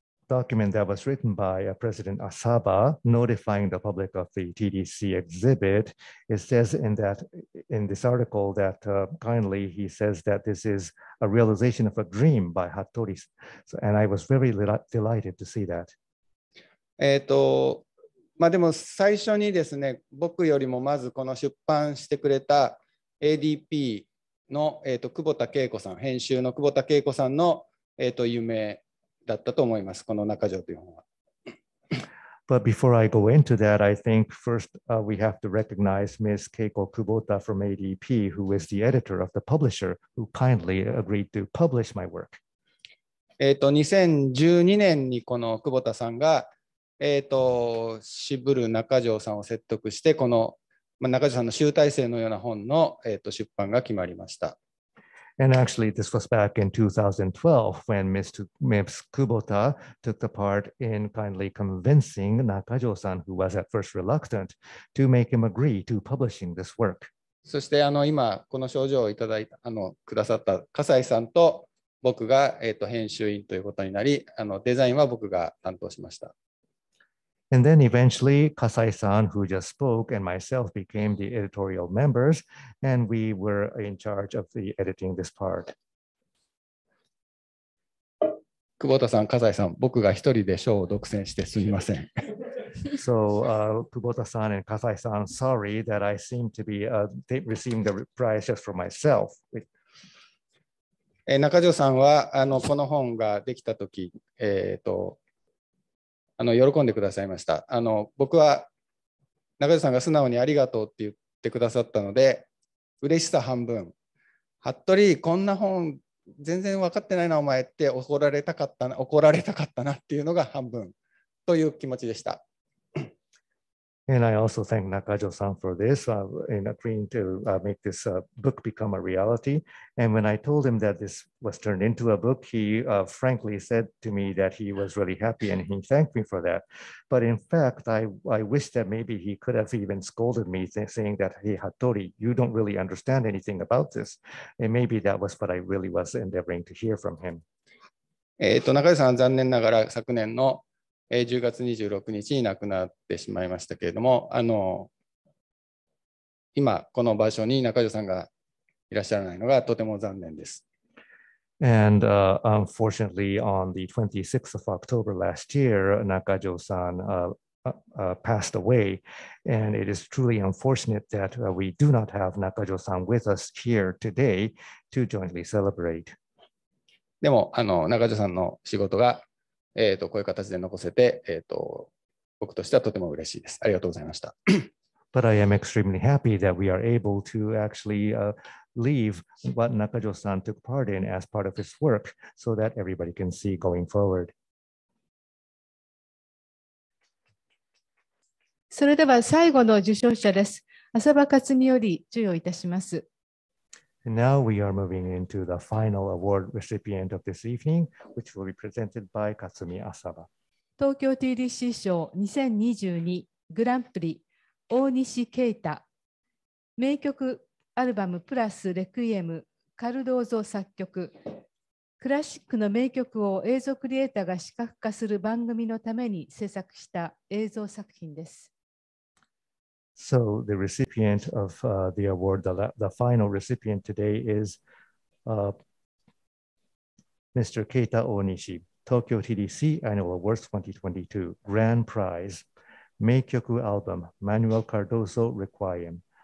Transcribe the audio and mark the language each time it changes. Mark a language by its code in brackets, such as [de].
[en] document that was written by President Asaba notifying the public of the TDC exhibit, it says in that, in this article that kindly he says that this is a realization of a dream by Hattori. So, and I was very delighted to see that. [ja] まあ、でも最初にですね、僕よりもまずこの出版してくれた ADP の、久保田恵子さん、編集の久保田恵子さんの、夢だったと思います、この中条という本は。 [en] But before I go into that, I think first、we have to recognize Ms. Keiko Kubota from ADP, who is the editor of the publisher, who kindly agreed to publish my work. [ja] 2012年にこの久保田さんが、渋る中条さんを説得してこの、まあ、中条さんの集大成のような本の、出版が決まりました。 [en] And actually this was back in 2012 when Ms. Kubota took the part in kindly convincing 中条さん who was at first reluctant to make him agree to publishing this work. [ja] そして今この賞状をいただいたくださった笠井さんと僕が、編集員ということになりデザインは僕が担当しました。 [en] And then eventually, Kasai-san, who just spoke, and myself became the editorial members, and we were in charge of the editing this part. [ja] 久保田さん、Kasai-san, 僕が一人で賞を独占してすみません。 [en] So, 久保田さん and Kasai-san, sorry that I seem to be receiving the prize just for myself. [ja] 中条さんはこの本ができたとき、喜んでくださいました。僕は中条さんが素直にありがとうって言ってくださったので嬉しさ半分。服部こんな本全然分かってないなお前って怒られたかったなっていうのが半分という気持ちでした。 [en] And I also thank 中条さん for this, in agreeing to make this book become a reality. And when I told him that this was turned into a book, he frankly said to me that he was really happy and he thanked me for that. But in fact, I wish that maybe he could have even scolded me saying that, hey, Hattori, you don't really understand anything about this. And maybe that was what I really was endeavoring to hear from him. [ja] 中条さん、残念ながら昨年の10月26日に亡くなってしまいましたけれども今この場所に中条さんがいらっしゃらないのがとても残念です。 [en] And unfortunately, on the 26th of October last year, 中条さん passed away. And it is truly unfortunate that we do not have 中条さん with us here today to jointly celebrate. [ja] でも中条さんの仕事がこういう形で残せて、僕としてはとても嬉しいです。ありがとうございました。 [en] But I am extremely happy that we are able to actually leave what 中条さん took part in as part of his work so that everybody can see going forward. [ja] それでは最後の受賞者です。浅場克美より授与いたします。 [en] Now we are moving into the final award recipient of this evening, which will be presented by Katsumi Asaba. [ja] Tokyo TDC 賞2022 Grand Prix, 大西啓太。名曲アルバムプラスレクイエム、カルドーゾ作曲。クラシックの名曲を映像クリエイターが視覚化する番組のために制作した映像作品です。 [en] So the recipient of the award, the final recipient today is Mr. Keita Onishi, Tokyo TDC Annual Awards 2022, Grand Prize, Meikyoku Album, Manuel Cardoso Requiem.